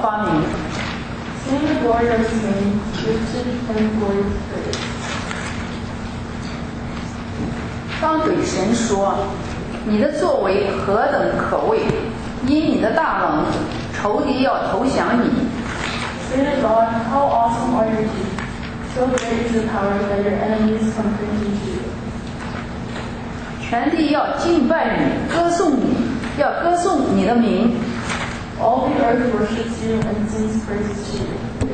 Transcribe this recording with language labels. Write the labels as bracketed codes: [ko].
[en] the glory of his name, give him glory and praise. [zh] 当对神说，你的作为何等可畏，因你的大能，仇敌要投降你。 [en] Sing the God, how awesome are your deeds, so great is the power that your enemies come against you. [zh] 全地要敬拜你，歌颂你，要歌颂你的名。 [en] All the earth worships you and sings praises to you.